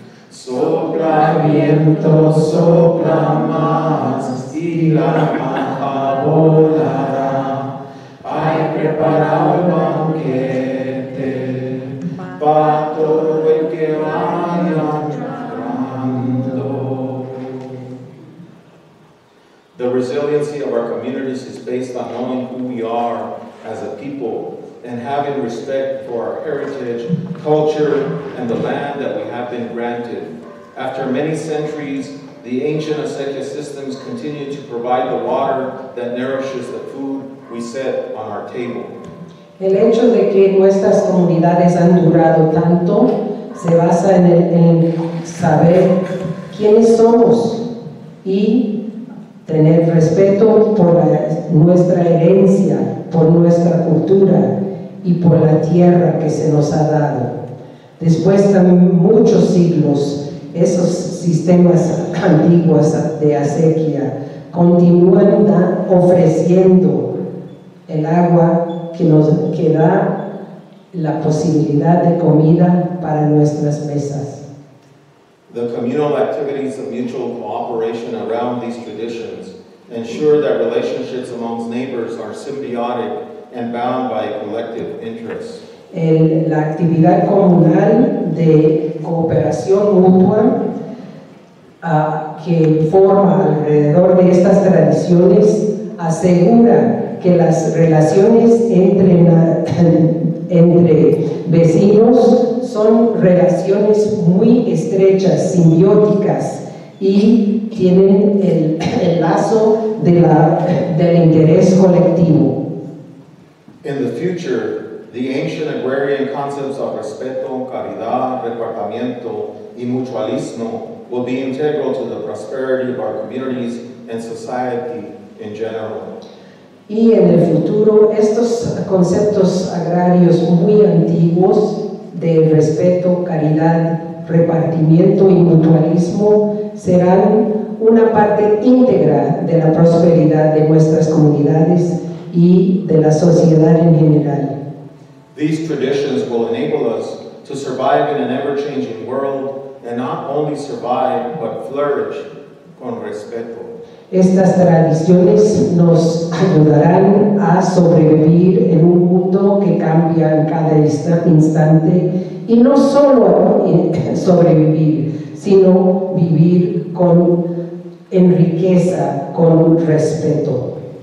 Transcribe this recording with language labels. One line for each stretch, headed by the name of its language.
Spanish: Sopla viento, sopla más, y la paja volará. Hay preparado banquete para todo el que vaya andando.
English: The resiliency of our communities is based on knowing who we are as a people and having respect for our heritage, culture, and the land that we have been granted. After many centuries, the ancient acequia systems continue to provide the water that nourishes the food we set on our table.
Spanish: El hecho de que nuestras comunidades han durado tanto se basa en saber quiénes somos y tener respeto por nuestra herencia, por nuestra cultura y por la tierra que se nos ha dado. Después de muchos siglos, esos sistemas antiguos de acequia continúan ofreciendo el agua que nos que da la posibilidad de comida para nuestras mesas.
English: The communal activities of mutual cooperation around these traditions ensure that relationships amongst neighbors are symbiotic and bound by collective interests.
Spanish: La actividad comunal de cooperación mutua que forma alrededor de estas tradiciones asegura que las relaciones entre vecinos son relaciones muy estrechas, simbióticas, y tienen el lazo de del interés colectivo.
English: In the future, the ancient agrarian concepts of
Spanish: respeto, caridad, repartamiento, y mutualismo
English: will be integral to the prosperity of our communities and society in general.
Spanish: Y en el futuro, estos conceptos agrarios muy antiguos de respeto, caridad, repartimiento y mutualismo serán una parte íntegra de la prosperidad de nuestras comunidades y de la sociedad en general.
English: These traditions will enable us to survive in an ever-changing world and not only survive but flourish
Spanish: con respeto. Estas tradiciones nos ayudarán a sobrevivir en un mundo que cambia en cada instante, y no solo sobrevivir, sino vivir con en riqueza, con respeto.